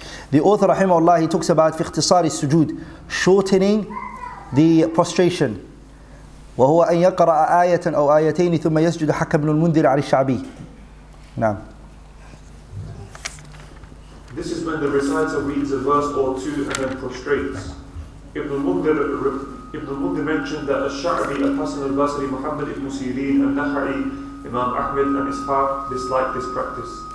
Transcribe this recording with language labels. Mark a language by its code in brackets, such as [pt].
[en] The author, rahimahullah, he talks about [ar] في اختصار السجود, [en] shortening the prostration. [ar] وهو أن يقرأ آية أو آيتين ثم يسجد حكى ابن المنذر على الشعبي. نعم. [en] This is when the reciter reads a verse or two and then prostrates. Ibn al-Mundir mentioned that al-Sha'bi, al-Hasan al-Basri, Muhammad ibn Sirin, al-Nahari, Imam Ahmed and Ishaq dislike this practice.